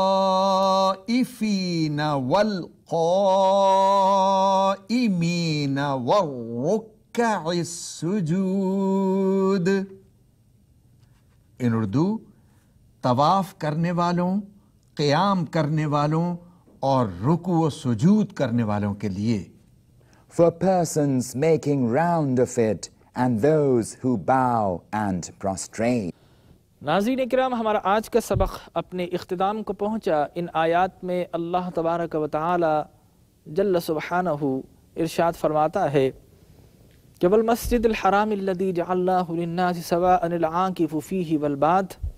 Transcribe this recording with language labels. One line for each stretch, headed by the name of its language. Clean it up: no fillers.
Arabic: والعاكفين والقائمين والركع السجود.
English: in Urdu
Urdu: طواف کرنے والوں، قیام کرنے والوں اور رکوع و سجود کرنے والوں کے لیے.
English: For persons making round of it and those who bow and prostrate.
Urdu: ناظرین اکرام، ہمارا آج کا سبق اپنے اختتام کو پہنچا. ان آیات میں اللہ تبارک و تعالی جل سبحانہ ارشاد فرماتا ہے کہ
Arabic: والمسجد الحرام الذی جعلناہ للناس سواء العاکف فیہ والباد.